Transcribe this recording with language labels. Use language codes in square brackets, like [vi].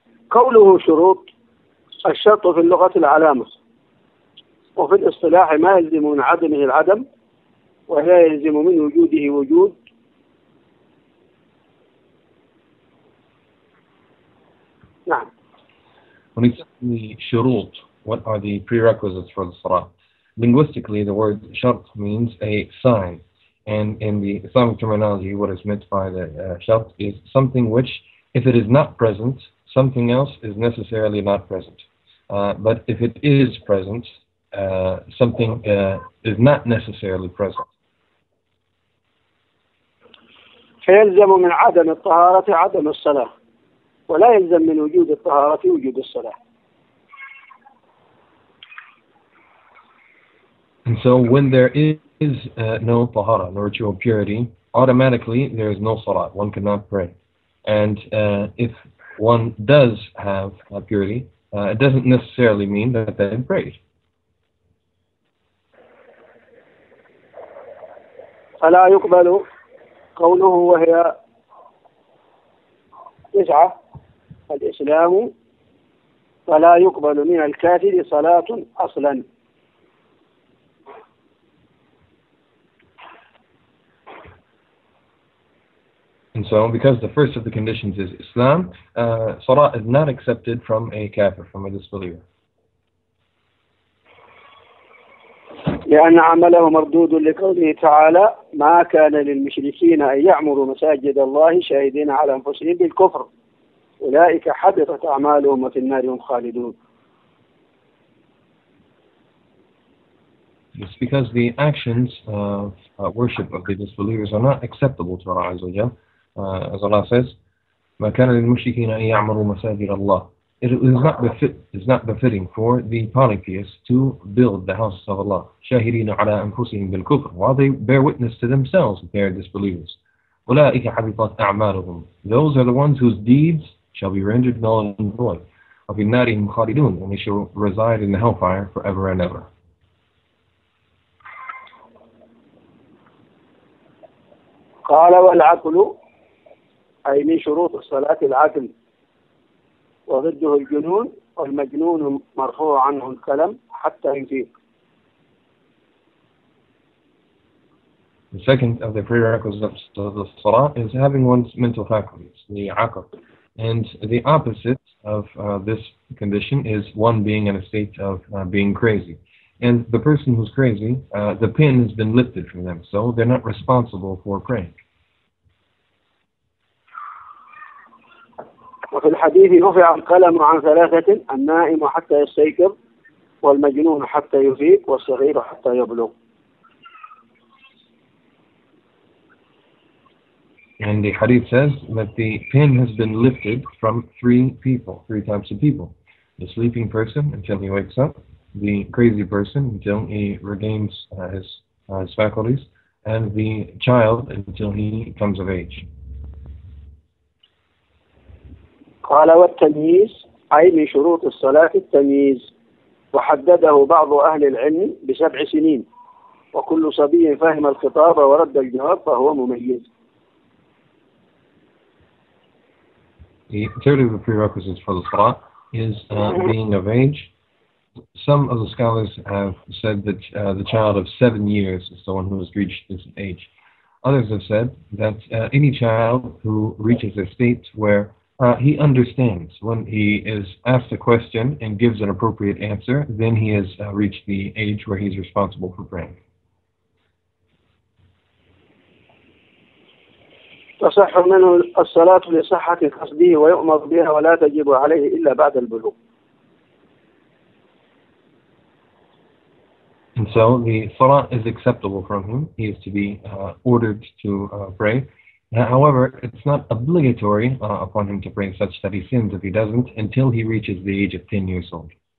[ar] قوله شروط الشرط في اللغة العلامة، وفي الاصطلاح ما يلزم من عدمه العدم، ولا يلزم من وجوده وجود، نعم. [en] When he said the shurut, what are the prerequisites for the salah? Linguistically, the word shart means a sign, and in the Islamic terminology, what is meant by the shart is something which, if it is not present, something else is necessarily not present. But if it is present, something is not necessarily present. [ar] فيلزم من عدم الطهارة عدم الصلاة، ولا يلزم من وجود الطهارة وجود الصلاة. [en] And so when there is no tahara, no ritual purity, automatically there is no salah, one cannot pray. And if one does have purity, it doesn't necessarily mean that they prayed. [ar] فلا يقبل قوله وهي تسعة الإسلام، فلا يقبل من الكافر صلاة أصلا. [en] And so, because the first of the conditions is Islam, salah is not accepted from a kafir, from a disbeliever. [ar] لأن عمله مردود لقوله تعالى: ما كان للمشركين أن يعمروا مساجد الله شاهدين على أنفسهم بالكفر أولئك حبطت أعمالهم وفي النار هم خالدون. [en] It's because the actions of worship of the disbelievers are not acceptable to Allah Azza wa Jalla. As Allah says, [ar] ما كان للمشركين أن يعمروا مساجد الله. [en] It is not befitting for the polytheists to build the houses of Allah. [ar] شاهدين على أنفسهم بالكفر. [en] While they bear witness to themselves, they are disbelievers. [ar] أولئك حبطت أعمالهم. [en] Those are the ones whose deeds shall be rendered null and void. [ar] وفي النار هم خالدون. [en] And they shall reside in the hellfire forever and ever. [ar] قال والعقل أي من شروط الصلاة العقل وضده الجنون والمجنون مرفوع عنه الكلم حتى يزيد. [en] The second of the prerequisites of the salah is having one's mental faculties, the aqal. And the opposite of this condition is one being in a state of being crazy. And the person who's crazy, the pin has been lifted from them, so they're not responsible for praying. [ar] وفي الحديث رفع القلم عن ثلاثة النائم حتى يستيقظ والمجنون حتى يفيق والصغير حتى يبلغ. [en] And the hadith says that the pin has been lifted from three people, three types of people. The sleeping person until he wakes up, the crazy person until he regains his faculties, and the child until he comes of age. [ar] قال والتمييز أي من شروط الصلاة التمييز وحدده بعض أهل العلم بسبع سنين وكل صبي فهم الخطاب ورد الجواب فهو مميز. [en] The third of the prerequisites for the salah is being of age. Some of the scholars have said that the child of 7 years is the one who has reached this age. Others have said that any child who reaches a state where he understands when he is asked a question and gives an appropriate answer, then he has reached the age where he's responsible for praying. [ar] تصح منه الصلاة لصحة قصده ويؤمر بها ولا تجب عليه إلا بعد البلوغ. [en] And so the salah is acceptable from him. He is to be ordered to pray. However, it's not obligatory upon him to pray such that he sins if he doesn't until he reaches the age of 10 years old.